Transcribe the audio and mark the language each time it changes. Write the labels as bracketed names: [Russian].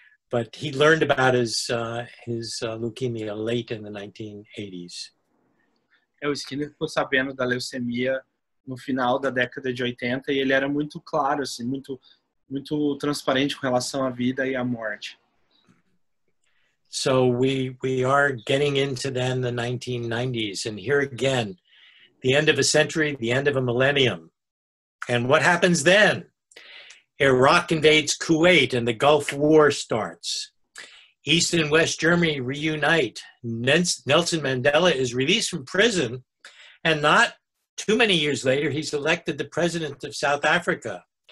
[English] But he learned about his leukemia late in the 1980s. [Portuguese] O Skinner ficou sabendo da leucemia no final da década de 80, e ele era muito claro, assim, muito, muito transparente com relação à vida e à morte. [English] So we are getting into then the 1990s, and here again, the end of a century, the end of a millennium. And what happens then? Iraq invades Kuwait and the Gulf War starts. East and West Germany reunite. Nelson Mandela is released from prison, and not too many years later, he's elected the president of South Africa.